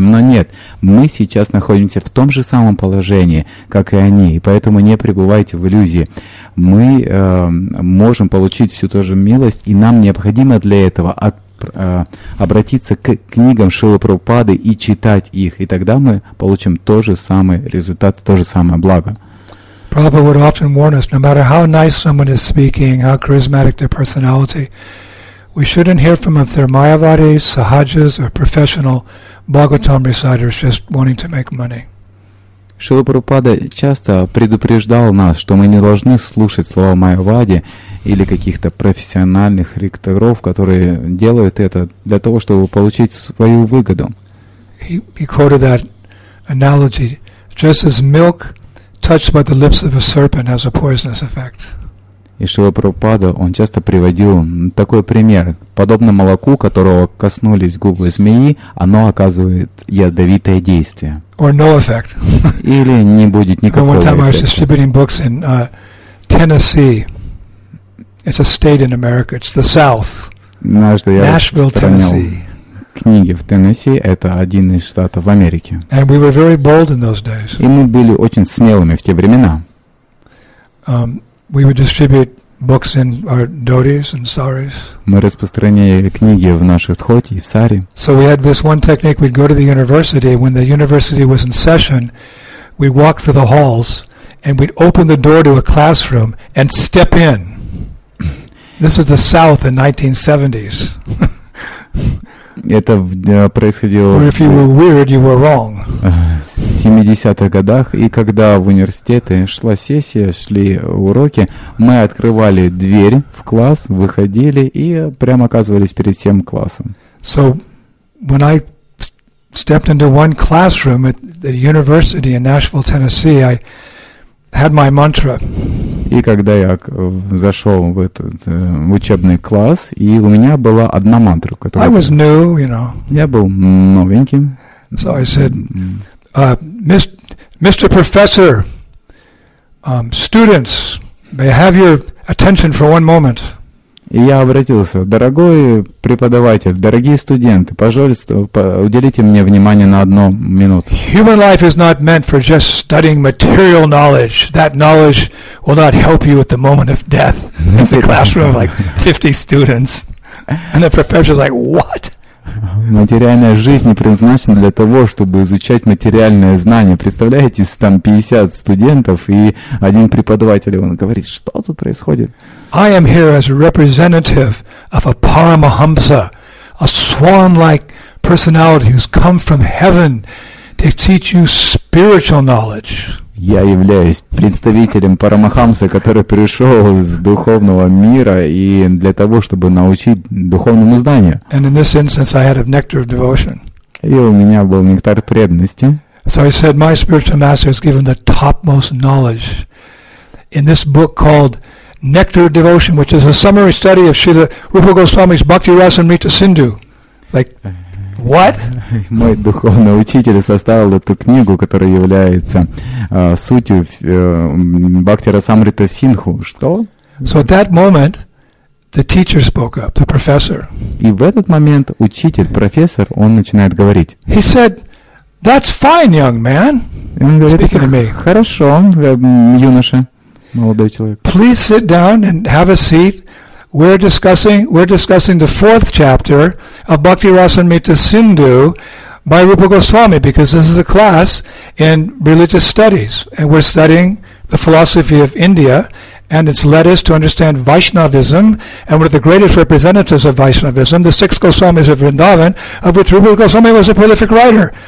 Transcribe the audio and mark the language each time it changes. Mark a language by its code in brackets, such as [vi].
[ru] Но нет, мы сейчас находимся в том же самом положении, как и они, и поэтому не пребывайте в иллюзии. Мы можем получить всю ту же милость, и нам необходимо для этого обратиться к книгам Шрилы Прабхупады и читать их, и тогда мы получим тот же самый результат, то же самое благо. [en] Prabhupada would often warn us, no matter how nice someone is speaking, how charismatic their personality, we shouldn't hear from them if they're Mayavadi, Sahajas, or professional Bhagavatam reciters just wanting to make money. [ru] Шрила Прабхупада часто предупреждал нас, что мы не должны слушать слова Майавади или каких-то профессиональных ректоров, которые делают это для того, чтобы получить свою выгоду. [en] He quoted that analogy, just as milk touched by the lips of a serpent has a poisonous effect. [ru] И Шрила Прабхупада, он часто приводил такой пример. Подобно молоку, которого коснулись губы змеи, оно оказывает ядовитое действие. [en] Or no effect. [ru] Или не будет никакого эффекта. [en] One time I was distributing books in Tennessee. It's a state in America. It's the South. Nashville, Tennessee. [ru] Книги в Теннесси – это один из штатов в Америке. [en] And we were very bold in those days. [ru] И мы были очень смелыми в те времена. [en] We would distribute books in our dhotis and saris. [ru] Мы распространяли книги в наших дхоти и в сари. [en] So we had this one technique. We'd go to the university. When the university was in session, we'd walk through the halls and we'd open the door to a classroom and step in. This is the South in 1970s. [ru] Это происходило. [en] Or if you were weird, you were wrong. [ru] В 70-х годах, и когда в университеты шла сессия, шли уроки, мы открывали дверь в класс, выходили и прямо оказывались перед всем классом. [en] So, when I stepped into one classroom at the university in Nashville, Tennessee, I had my mantra. [ru] И когда я зашел в этот учебный класс, и у меня была одна мантра, которая... [en] I was new, you know. [ru] Я был новеньким. [en] So I said... Mr. Professor, students, may I have your attention for one moment? [ru] И я обратился, дорогой преподаватель, дорогие студенты, пожалуйста, уделите мне внимание на одну минуту. [en] Human life is not meant for just studying material knowledge. That knowledge will not help you at the moment of death. In the classroom of like 50 students, and the professor's like, what? [ru] Материальная жизнь не предназначена для того, чтобы изучать материальное знание. Представляете, там 50 студентов и один преподаватель, он говорит, что тут происходит? [en] I am here as a representative of a Paramahamsa, a swan-like personality who's come from heaven to teach you spiritual knowledge. [ru] Я являюсь представителем Парамахамсы, который пришел с духовного мира и для того, чтобы научить духовному знанию. [en] And in this instance, I had a nectar of devotion. [ru] И у меня был нектар преданности. [en] So I said, my spiritual master has given the topmost knowledge in this book called Nectar of Devotion, which is a summary study of Śrīla Rūpa Gosvāmī's Bhakti Rasamrita Sindhu. Like, what? [ru] Мой духовный учитель составил эту книгу, которая является сутью Бхактирасамрита Синху. Что? [en] So at that moment, the teacher spoke up, the professor. [ru] И в этот момент учитель, профессор, он начинает говорить. [en] He said, "That's fine, young man." Speaking to me. [ru] Хорошо, юноша, молодой человек. [en] Please sit down and have a seat. We're discussing the fourth chapter of Bhakti Rasamrita Sindhu by Rupa Goswami, because this is a class in religious studies, and we're studying the philosophy of India And it's led us to understand Vaishnavism, and one of the greatest representatives of Vaishnavism, the six Goswamis of Vrindavan, of which Rupa Goswami was a prolific writer.